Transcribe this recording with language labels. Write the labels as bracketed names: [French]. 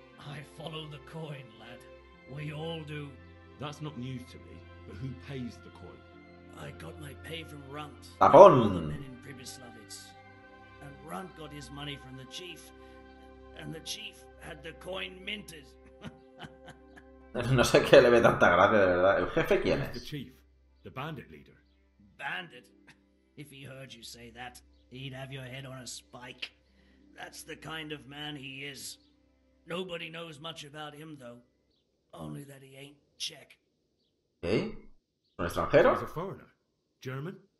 [English] I follow the coin, lad. We all do. That's not news to me, but who pays the coin? I got my pay from Runt. [Spanish] Tapón. [English] And all the men in Pribislavitz. And Runt got his money from the chief. And the chief had the coin minted. [Spanish] No sé qué le ve tanta gracia, de verdad. ¿El jefe quién es? [English] The chief, the bandit leader. Bandit? If he heard you say that, he'd have your head on a spike. That's the kind of man he is. Nobody knows much about him, though. Only that he ain't Czech. [Spanish] ¿Eh? ¿Un extranjero? [English] He's a foreigner. German?